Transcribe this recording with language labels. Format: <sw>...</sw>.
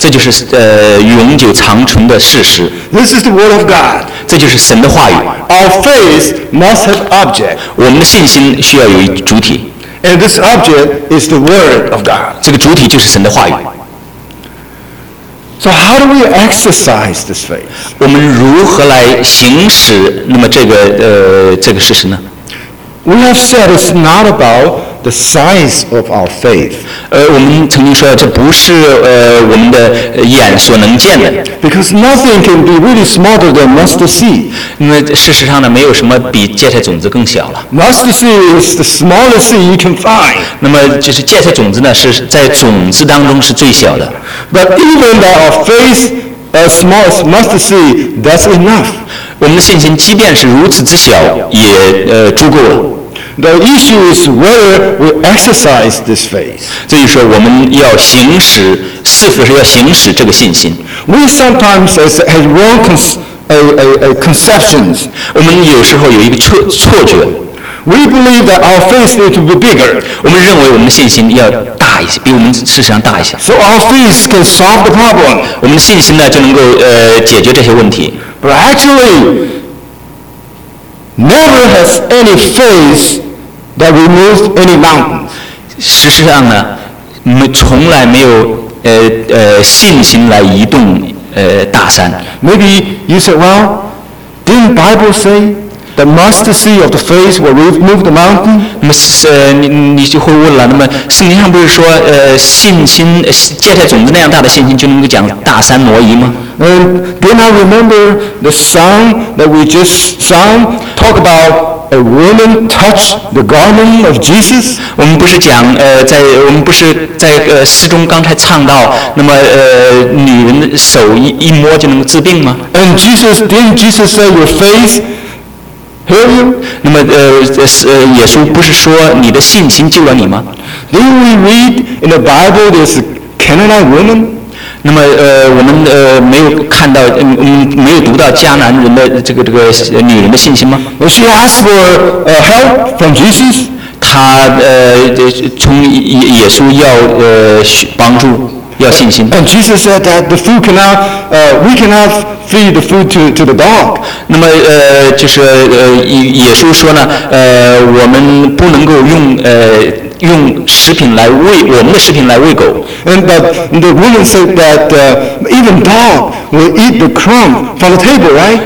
<zh>这就是永久长存的事实。</zh> <en>This is the word of God.</en> <zh>这就是神的话语。</zh> <en>Our faith must have object.</en> <zh>我们的信心需要有主体。</zh> <en>And this object is the word of God.</en> <zh>这个主体就是神的话语。</zh> <en>So how do we exercise this faith?</en> <zh>我们如何来行使那么这个事实呢</zh> <en>？We have said it's not about the size of our faith.</en> <zh>我们曾经说这不是我们的眼所能见的。</zh> <en>Because nothing can be really smaller than mustard seed.</en> <zh>因为事实上呢，没有什么比芥菜种子更小了。</zh> <en>Mustard seed is the smallest seed you can find.</en> <zh>那么就是芥菜种子呢，是在种子当中是最小的。</zh> <en>But even that our faith as small as mustard seed, that's enough.</en> <zh>我们的信心即便是如此之小，也足够了。</zh> <en>The issue is whether we exercise this faith.</en> <zh>这就是我们要行使，是否是要行使这个信心。</zh> <en>We sometimes have wrong conceptions.</en> <zh>我们有时候有一个错觉。</zh> <en>We believe that our faith needs to be bigger.</en> <zh>我们认为我们的信心要大一些，比我们事实上大一些。</zh> <en>So our faith can solve the problem.</en> <zh>我们的信心呢就能够解决这些问题。</zh> <en>But actually, never has any faith that removes any mountain.</en> <zh>事实上呢，没从来没有信心来移动大山。</zh> <en>Maybe you say, well, didn't Bible say? The mustard seed of the faith will remove the mountain.</en> <zh>那么是你就会问了，那么圣经上不是说信心芥菜种子那样大的信心就能够将大山挪移吗？</zh> <en>Do not remember the song that we just sang. Talk about a woman touch the garment of Jesus.</en> <zh>我们不是讲在我们不是在诗中刚才唱到，那么女人的手一摸就能够治病吗</zh> <en>？And Jesus didn't Jesus say your faith? Hear you?</en> <zh>那么耶稣不是说你的信心救了你吗</zh> <en>Do we read in the Bible this Canaanite woman?</en> <zh>那么我们没有看到没有读到迦南人的这个女人的信心吗</zh> <en>She asked for help from Jesus.</en> <zh>她从耶稣要帮助要信心。</zh> <en>And Jesus said that the food cannot, we cannot feed the food to the dog.</en> <zh>那么就是耶稣说呢，我们不能够用食品来喂我们的食品来喂狗。</zh> <en>And but the woman said that even dog will eat the crumb from the table, right?</en>